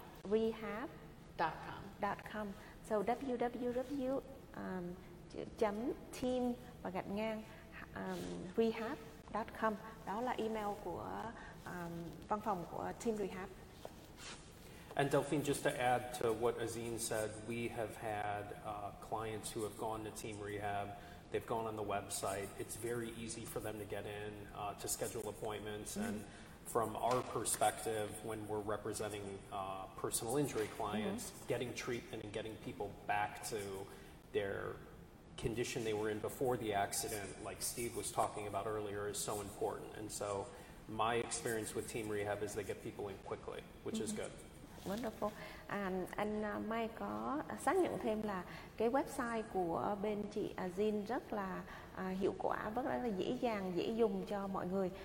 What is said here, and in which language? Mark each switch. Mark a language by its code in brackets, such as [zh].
[en] rehab.com. [vi] So www.team và gạch ngang rehab.com, đó là email của văn phòng của team rehab. [en] And Delphine, just to add to what Azine said, we have had clients who have gone to team rehab. They've gone on the website. It's very easy for them to get in to schedule appointments and from our perspective, when we're representing personal injury clients, getting treatment and getting people back to their condition they were in before the accident, like Steve was talking about earlier, is so important. And so my experience with Team Rehab is they get people in quickly, which is good. Wonderful. [vi] Anh Mai có xác nhận thêm là cái website của bên chị Jean rất là hiệu quả, rất là dễ dàng, dễ dùng cho mọi người.